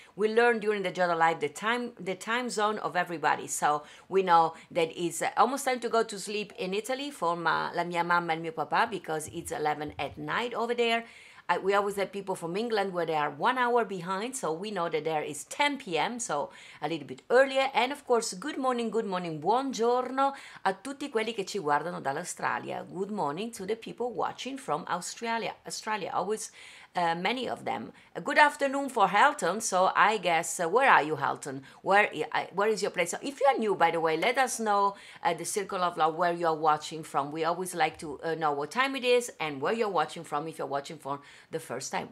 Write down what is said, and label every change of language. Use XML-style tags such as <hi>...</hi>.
<en>We learned during the Giada Live the time zone of everybody. So we know that it's almost time to go to sleep in Italy for</en> <it>la mia mamma</it> <en>and</en> <it>mio papà,</it> <en>because it's 11 at night over there. we always have people from England where they are 1 hour behind, so we know that there is 10 p.m., so a little bit earlier. And of course, good morning,</en> <it>buongiorno a tutti quelli che ci guardano dall'Australia.</it> <en>Good morning to the people watching from Australia. Always many of them. A good afternoon for Halton. So I guess, where are you, Halton? Where is your place? So if you are new, by the way, let us know at the Circle of Love where you are watching from. We always like to know what time it is and where you're watching from if you're watching for the first time.</en>